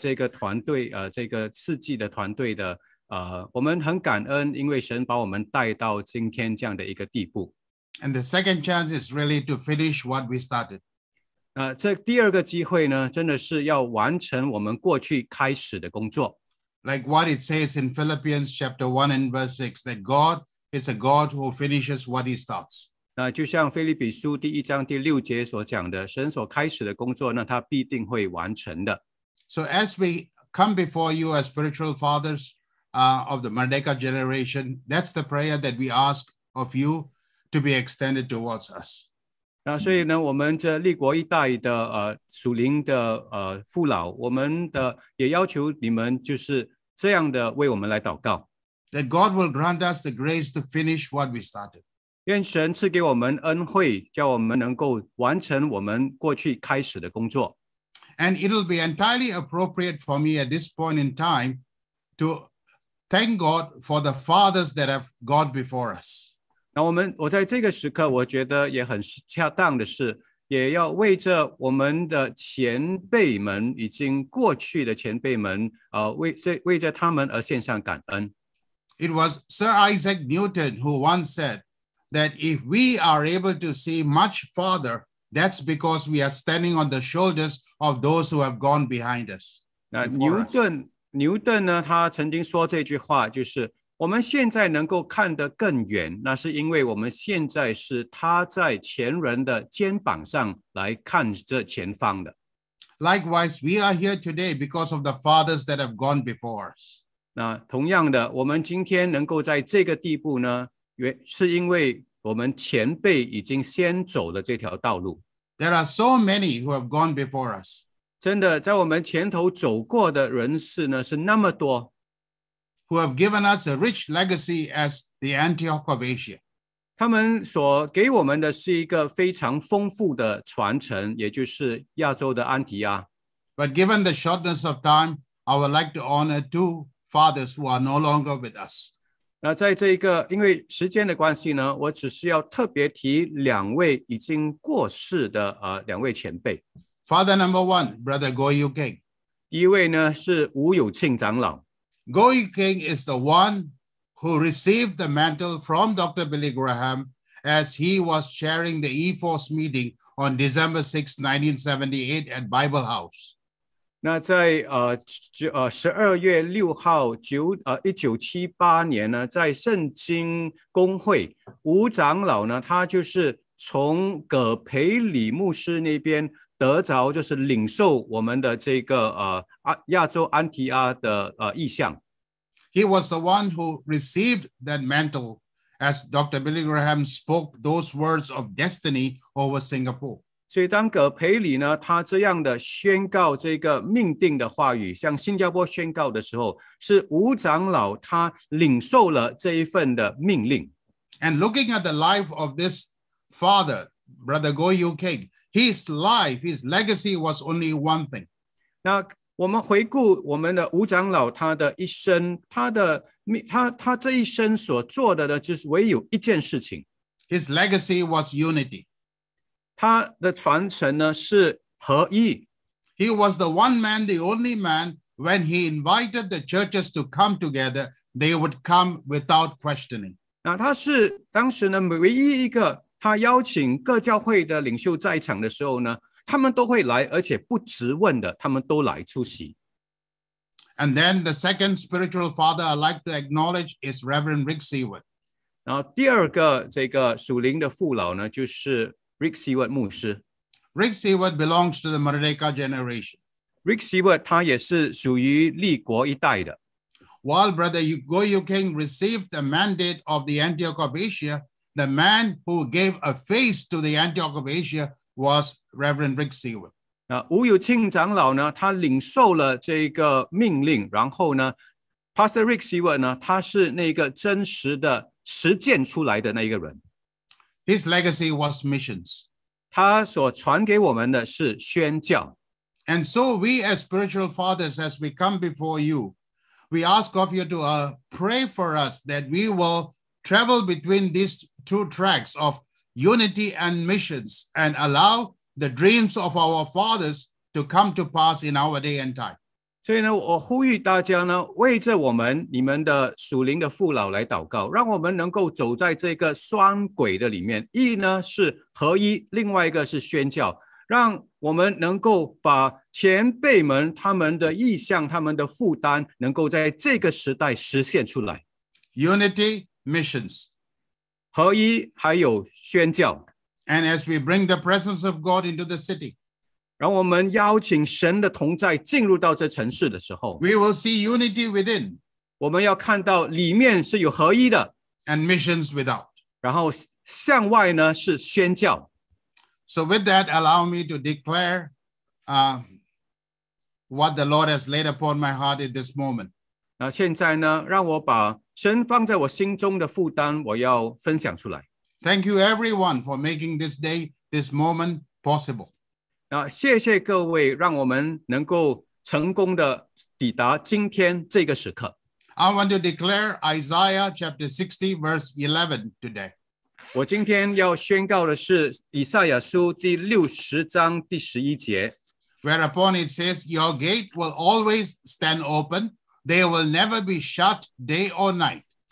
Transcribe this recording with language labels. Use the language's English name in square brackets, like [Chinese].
[Chinese] 我们来自建国的这个团队,这个世纪的团队的。我们很感恩因为神把我们带到今天这样的一个地步。 [English] And the second chance is really to finish what we started. [Chinese] 这第二个机会呢，真的是要完成我们过去开始的工作。 [English] Like what it says in Philippians chapter 1 and verse 6, that God is a God who finishes what he starts. [Chinese] 那就像腓立比书第一章第六节所讲的，神所开始的工作呢，他必定会完成的。 [English] So as we come before you as spiritual fathers, of the Merdeka generation, that's the prayer that we ask of you to be extended towards us. [Chinese] 那所以呢，我们这立国一代的属灵的父老，我们的也要求你们就是这样的为我们来祷告。 [English] That God will grant us the grace to finish what we started. [Chinese] 愿神赐给我们恩惠，叫我们能够完成我们过去开始的工作。 [English] And it'll be entirely appropriate for me at this point in time to thank God for the fathers that have gone before us. [Chinese] 那我在这个时刻，我觉得也很恰当的是，也要为着我们的前辈们，已经过去的前辈们，为着他们而献上感恩。 [English] It was Sir Isaac Newton who once said that if we are able to see much farther, that's because we are standing on the shoulders of those who have gone behind us. [Chinese] 那牛顿呢，他曾经说这句话，就是我们现在能够看得更远，那是因为我们现在是他在前人的肩膀上来看这前方的。 [English] Likewise, we are here today because of the fathers that have gone before us. [Chinese] 那同样的，我们今天能够在这个地步呢，是因为我们前辈已经先走了这条道路。 [English] There are so many who have gone before us. [Chinese] 真的，在我们前头走过的人士呢，是那么多。 [English] Who have given us a rich legacy as the Antioch of Asia. [Chinese] 他们所给我们的是一个非常丰富的传承，也就是亚洲的安提亚。 [English] But given the shortness of time, I would like to honor two fathers who are no longer with us. [Chinese] 那在这一个因为时间的关系呢，我只是要特别提两位已经过世的两位前辈。 [English] Father number one, Brother Goh Yew Keng. [Chinese] 第一位呢是吴有庆长老。 [English] Goh Yew Keng is the one who received the mantle from Dr. Billy Graham as he was chairing the E-Force meeting on December 6, 1978 at Bible House. [Chinese] 那在12月6号1978年呢，在圣经公会，吴长老呢，他就是从葛培里牧师那边得着，就是领受我们的这个亚洲安提阿的意象。 [English] He was the one who received that mantle as Dr. Billy Graham spoke those words of destiny over Singapore. [Chinese] 所以当葛培里呢，他这样的宣告这个命定的话语，向新加坡宣告的时候，是吴长老他领受了这一份的命令。 [English] And looking at the life of this father, Brother Goh Yew Keng, his life, his legacy was only one thing. [Chinese] 那我们回顾我们的吴长老他的一生，他这一生所做的呢，就是唯有一件事情。 [English] His legacy was unity. [Chinese] 他的传承呢是合一。 [English] He was the one man, the only man, when he invited the churches to come together, they would come without questioning. [Chinese] 那他是当时呢唯一一个，他邀请各教会的领袖在场的时候呢，他们都会来，而且不质问的，他们都来出席。 [English] And then the second spiritual father I'd like to acknowledge is Reverend Rick Seward. [Chinese] 然后第二个这个属灵的父老呢，就是 Rick Seward 牧师。 [English] Rick Seward belongs to the Merdeka generation. [Chinese] Rick Seward 他也是属于立国一代的。 [English] While Brother Goh Yew Keng received the mandate of the Antioch of Asia, the man who gave a face to the Antioch of Asia was Reverend Rick Seward. [Chinese] 那吴有庆长老呢，他领受了这个命令，然后呢 ，Pastor Rick Seward 呢，他是那个真实的实践出来的那一个人。 [English] His legacy was missions. [Chinese] 他所传给我们的是宣教。 [English] And so we as spiritual fathers, as we come before you, we ask of you to pray for us that we will travel between these two tracks of unity and missions and allow the dreams of our fathers to come to pass in our day and time. [Chinese] 所以呢，我呼吁大家呢，为着我们你们的属灵的父老来祷告，让我们能够走在这个双轨的里面，一呢是合一，另外一个是宣教，让我们能够把前辈们他们的意向他们的负担能够在这个时代实现出来。 [English] Unity missions [Chinese] 合一还有宣教。 [English] And as we bring the presence of God into the city, [Chinese] 让我们邀请神的同在进入到这城市的时候， [English] We will see unity within, [Chinese] 我们要看到里面是有合一的， [English] And missions without, [Chinese] 然后向外呢是宣教。 [English] So with that, allow me to declare what the Lord has laid upon my heart at this moment. [Chinese] 那现在呢，让我把神放在我心中的负担，我要分享出来。 [English] Thank you everyone for making this day, this moment possible. [Chinese] 那谢谢各位，让我们能够成功的抵达今天这个时刻。 [English] I want to declare Isaiah chapter 60 verse 11 today. [Chinese] 我今天要宣告的是以赛亚书第60章第11节。 [English] Whereupon it says, your gate will always stand open, they will never be shut day or night.